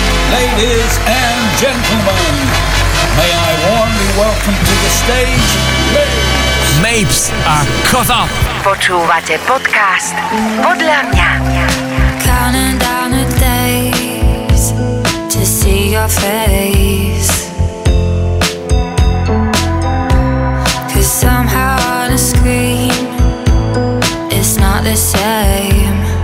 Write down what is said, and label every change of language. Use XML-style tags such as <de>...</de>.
<en>Ladies and gentlemen, may I warmly welcome to the stage Mapes. Mapes a Cut Up.</en> <sk>Počúvate podcast Podľa mňa.</sk> <en>Counting down the days to see your face. Cause somehow on a screen it's not the same.</en>